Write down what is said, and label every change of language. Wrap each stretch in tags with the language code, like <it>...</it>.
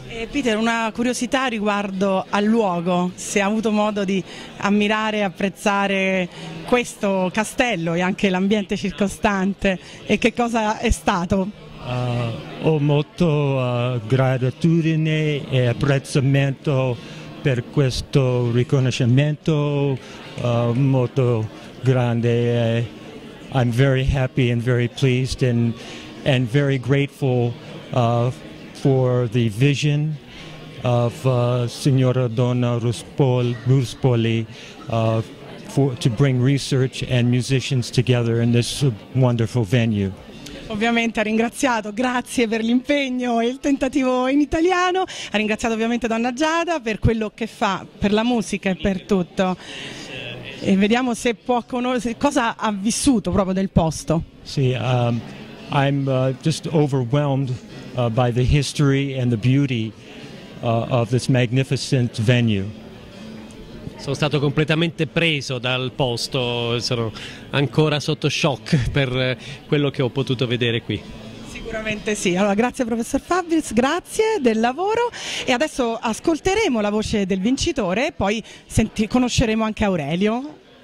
<it>Peter, una curiosità riguardo al luogo, se ha avuto modo di ammirare e apprezzare questo castello e anche l'ambiente circostante, e che cosa è stato? Ho molto gratitudine e apprezzamento per questo riconoscimento molto grande.</it> <en>I'm very happy and very pleased and very grateful for the vision of Signora Donna Ruspoli to bring research and musicians together in this wonderful venue.</en> <it>Ovviamente ha ringraziato, grazie per l'impegno e il tentativo in italiano, ha ringraziato ovviamente Donna Giada per quello che fa, per la musica e per tutto. E vediamo se può conoscere, cosa ha vissuto proprio del posto.</it> <en>Sì, I'm just overwhelmed by the history and the beauty of this magnificent venue.</en> <it>Sono stato completamente preso dal posto, sono ancora sotto shock per quello che ho potuto vedere qui. Sicuramente sì. Allora, grazie professor Fabris, grazie del lavoro, e adesso ascolteremo la voce del vincitore e poi conosceremo anche Aurelio.</it>